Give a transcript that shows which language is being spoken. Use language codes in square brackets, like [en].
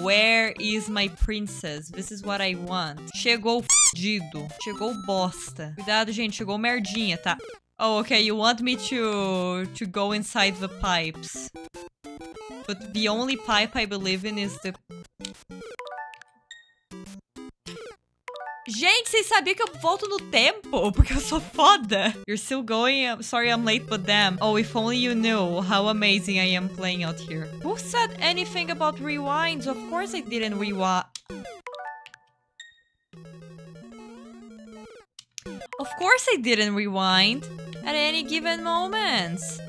[en] Where is my princess? This is what I want. [pt] Chegou fudido. Chegou bosta. Cuidado, gente. Chegou merdinha, tá? [en] Oh, okay. You want me to go inside the pipes. But the only pipe I believe in is the... [pt] Gente, vocês sabiam que eu volto no tempo? Porque eu sou foda. [en] You're still going? Sorry I'm late, but damn. Oh, if only you knew how amazing I am playing out here. Who said anything about rewinds? Of course I didn't rewind. Of course I didn't rewind at any given moment.